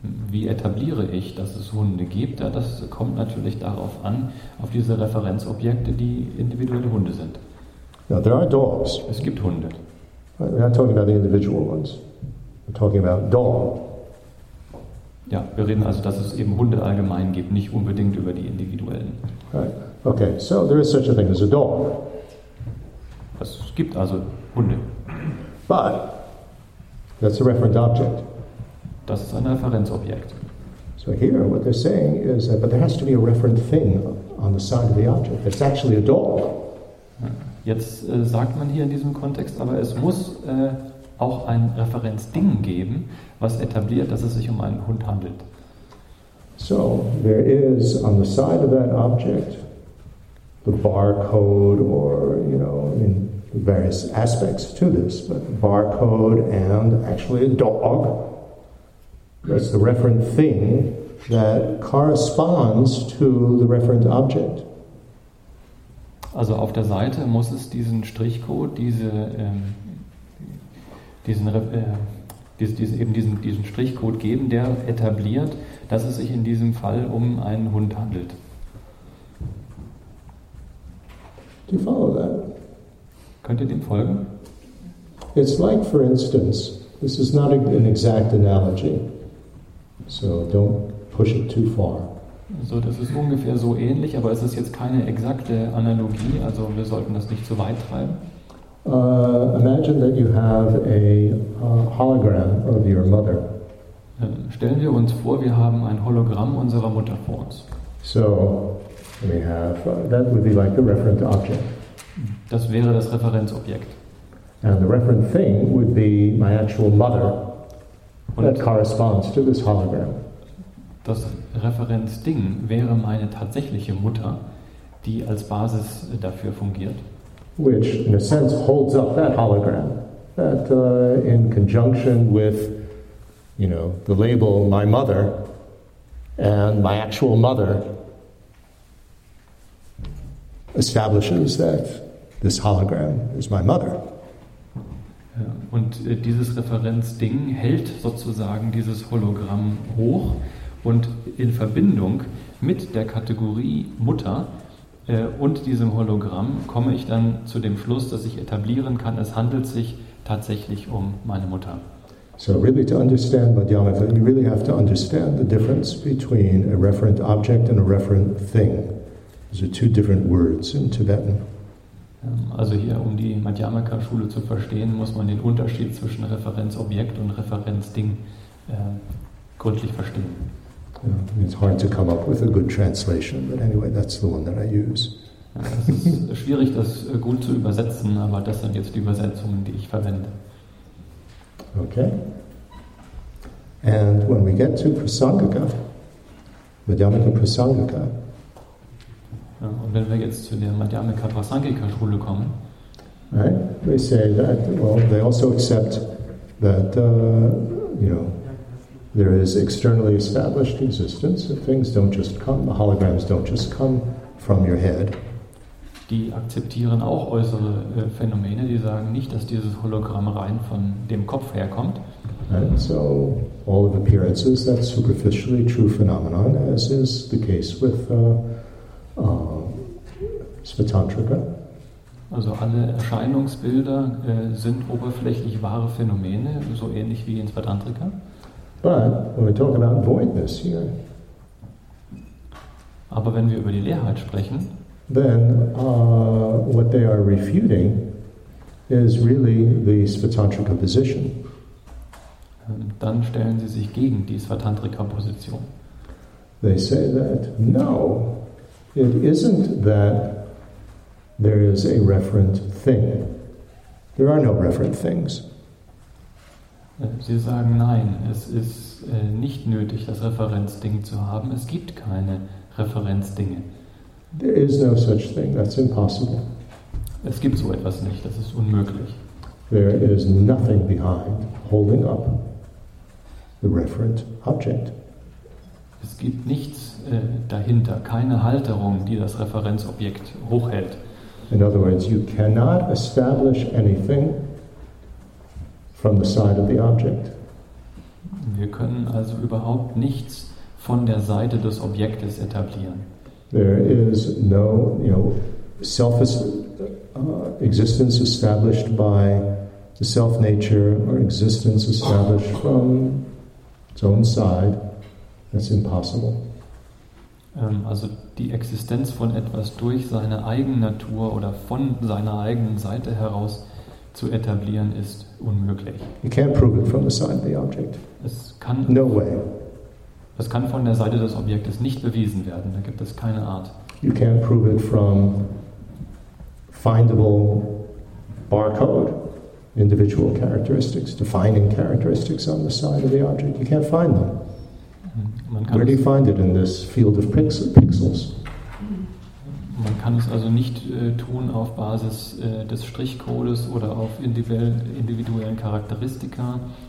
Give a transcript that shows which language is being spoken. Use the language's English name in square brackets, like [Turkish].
[German] Wie etabliere ich, dass es Hunde gibt? Ja, das kommt natürlich darauf an, auf diese Referenzobjekte, die individuelle Hunde sind. [English] Now, there are dogs. [German] Es gibt Hunde. [English] We're not talking about the individual ones. We're talking about dog. [German] Ja, wir reden also, dass es eben Hunde allgemein gibt, nicht unbedingt über die individuellen. [English] Right. Okay, so there is such a thing as a dog. [German] Es gibt also Hunde. [English] But that's a referent object. [German] Das ist ein Referenzobjekt. [English] So here what they're saying is that, but there has to be a referent thing on the side of the object. It's actually a dog. [German] Jetzt sagt man hier in diesem Kontext, aber es muss auch ein Referenzding geben, was etabliert, dass es sich um einen Hund handelt. [English] So, there is on the side of that object the barcode or, you know, in various aspects to this, but barcode and actually a dog. That's the referent thing that corresponds to the referent object. [German] Also auf der Seite muss es diesen Strichcode, diesen Strichcode geben, der etabliert, dass es sich in diesem Fall um einen Hund handelt. [English] Do you follow that? [German] Könnt ihr dem folgen? [English] It's like, for instance, this is not an exact analogy, so don't push it too far. [German] So, das ist ungefähr so ähnlich, aber es ist jetzt keine exakte Analogie, also wir sollten das nicht zu weit treiben. [English] Imagine that you have a hologram of your mother. [German] Stellen wir uns vor, wir haben ein Hologramm unserer Mutter vor uns. [English] So, we have, that would be like the referent object. [German] Das wäre das Referenzobjekt. [English] And the referent thing would be my actual mother. [German] Und [English] that corresponds to this hologram. [German] Das Referenzding wäre meine tatsächliche Mutter, die als Basis dafür fungiert. [English] Which, in a sense, holds up that hologram. That, in conjunction with, you know, the label my mother and my actual mother, establishes that this hologram is my mother. [German] Und dieses Referenzding hält sozusagen dieses Hologramm hoch. Und in Verbindung mit der Kategorie Mutter und diesem Hologramm komme ich dann zu dem Schluss, dass ich etablieren kann, es handelt sich tatsächlich um meine Mutter. [English] So really to understand, Madhyamaka, you really have to understand the difference between a referent object and a referent thing. Those are two different words in Tibetan. [German] Also hier, um die Madhyamaka-Schule zu verstehen, muss man den Unterschied zwischen Referenzobjekt und Referenzding gründlich verstehen. [English] It's hard to come up with a good translation, but anyway, that's the one that I use. [German] Es ist schwierig, das gut zu übersetzen, aber das sind jetzt die Übersetzungen, die ich verwende. [English] Okay. And when we get to Prasangika, Madhyamaka Prasangika. [German] Und wenn wir jetzt zu der Madhyamaka Prasangika Schule kommen. [English] Right, they say that, well, they also accept that, you know, there is externally established existence. Things don't just come. The holograms don't just come from your head. [German] Die akzeptieren auch äußere Phänomene. Die sagen nicht, dass dieses Hologramm rein von dem Kopf herkommt. [English] And so all of appearances, that superficially true phenomenon, as is the case with Svatantrika. [German] Also alle Erscheinungsbilder sind oberflächlich wahre Phänomene, so ähnlich wie in Svatantrika. [English] But when we talk about voidness here, [German] aber wenn wir über die Leerheit sprechen, [English] then what they are refuting is really the svatantrika position. [German] Dann stellen sie sich gegen die svatantrika position. [English] They say that no, it isn't that there is a referent thing. There are no referent things. [German] Sie sagen, nein, es ist nicht nötig, das Referenzding zu haben. Es gibt keine Referenzdinge. [English] There is no such thing. That's impossible. [German] Es gibt so etwas nicht. Das ist unmöglich. [English] There is nothing behind holding up the referent object. [German] Es gibt nichts dahinter, keine Halterung, die das Referenzobjekt hochhält. [English] In other words, you cannot establish anything from the side of the object. [German] Wir können also überhaupt nichts von der Seite des Objektes etablieren. [English] There is no, you know, self existence established by the self nature or existence established from its own side. That's impossible. [German] Also die Existenz von etwas durch seine eigene Natur oder von seiner eigenen Seite heraus zu etablieren ist unmöglich. [English] You can't prove it from the side of the object. [German] Es kann, [English] no way. [German] Es kann von der Seite des Objektes nicht bewiesen werden. Da gibt es keine Art. [English] You can't prove it from findable barcode, individual characteristics, defining characteristics on the side of the object. You can't find them. Where do you find it in this field of pixels? [German] Man kann es also nicht tun auf Basis des Strichcodes oder auf individuellen Charakteristika.